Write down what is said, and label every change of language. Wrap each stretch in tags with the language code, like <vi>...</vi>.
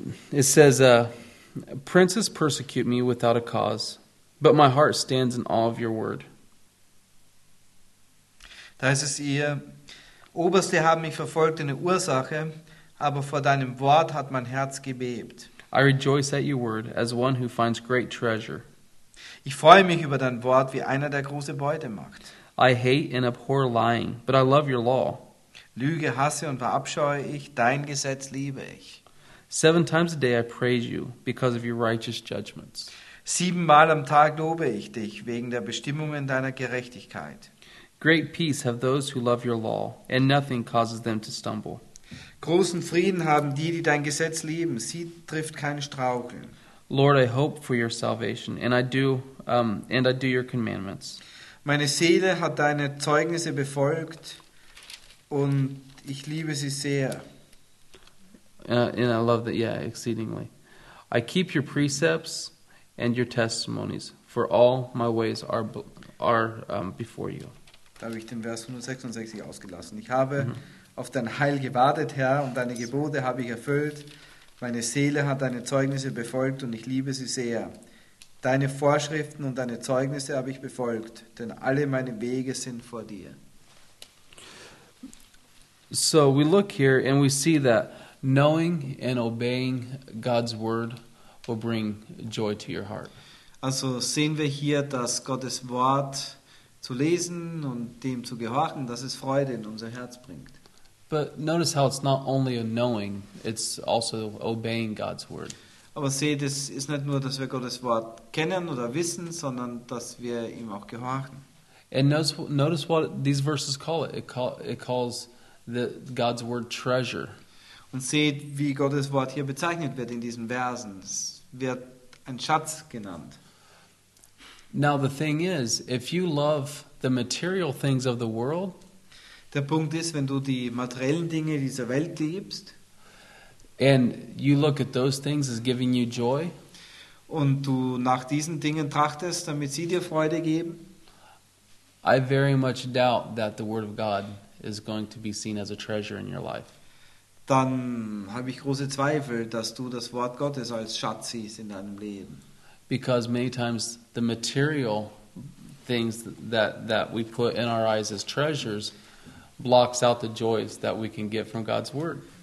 <en>It says, princes persecute me without a cause, but my heart stands in awe of your word.</en> <de>Da heißt es ihr, Oberste haben mich verfolgt in der Ursache, aber vor deinem Wort hat mein Herz gebebt.</de> <en>I rejoice at your word as one who finds great treasure.</en> <de>Ich freue mich über dein Wort wie einer, der große Beute macht.</de> <en>I hate and abhor lying, but I love your law.</en> <de>Lüge hasse und verabscheue ich, dein Gesetz liebe ich.</de> <en>Seven times a day I praise you because of your righteous judgments.</en> <de>Siebenmal am Tag lobe ich dich wegen der Bestimmungen deiner Gerechtigkeit.</de> <en>Great peace have those who love your law, and nothing causes them to stumble.</en> <de>Großen Frieden haben die, die dein Gesetz lieben. Sie trifft kein Straucheln.</de> <en>Lord, I hope for your salvation, and I do your commandments.</en> <de>Meine Seele hat deine Zeugnisse befolgt, und ich liebe sie sehr.</de> <en>And I love that, yeah, exceedingly. I keep your precepts and your testimonies, for all my ways are before you.</en> <de>Da habe ich den Vers 166 ausgelassen. Ich habe auf dein Heil gewartet, Herr, und deine Gebote habe ich erfüllt. Meine Seele hat deine Zeugnisse befolgt und ich liebe sie sehr. Deine Vorschriften und deine Zeugnisse habe ich befolgt, denn alle meine Wege sind vor dir.</de> <en>So we look here and we see that knowing and obeying God's word will bring joy to your heart.</en> <de>Also sehen wir hier, dass Gottes Wort zu lesen und dem zu gehorchen, dass es Freude in unser Herz bringt.</de> <en>But notice how it's not only a knowing, it's also obeying God's word.</en> <de>Aber seht, es ist nicht nur, dass wir Gottes Wort kennen oder wissen, sondern dass wir ihm auch gehorchen.</de> <en>And notice what these verses call it. It calls the God's word treasure.</en> <de>Und seht, wie Gottes Wort hier bezeichnet wird in diesen Versen. Es wird ein Schatz genannt.</de> <en>Now the thing is, if you love the material things of the world,</en> <de>der Punkt ist, wenn du die materiellen Dinge dieser Welt liebst,</de> <en>and you look at those things as giving you joy,</en> <de>und du nach diesen Dingen trachtest, damit sie dir Freude geben,</de> <en>I very much doubt that the word of God is going to be seen as a treasure in your life.</en> <de>Dann habe ich große Zweifel, dass du das Wort Gottes als Schatz siehst in deinem Leben.</de> <en>Because many times the material things that we put in our eyes as treasures blocks out the joys that we can get from God's word.</en>